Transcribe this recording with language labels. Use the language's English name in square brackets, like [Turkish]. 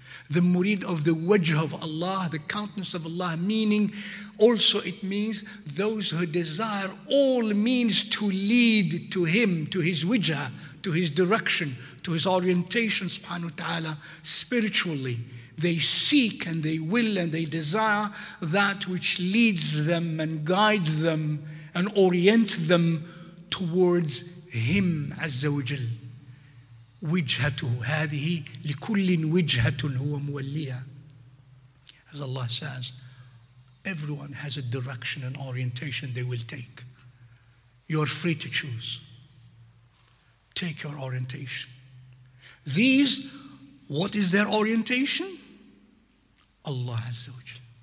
[English] the murid of the wajh of Allah, the countenance of Allah, meaning also it means those who desire all means to lead to him, to his wajh, to his direction, to his orientation, subhanahu wa ta'ala, spiritually. They seek and they will and they desire that which leads them and guides them and orients them towards him, Azza wa Jal. [Arabic] وجهته هذه لكل وجهة هو موليها. [English] As Allah says, everyone has a direction and orientation they will take. You're free to choose. Take your orientation. These, what is their orientation? Allah Azza wa Jal.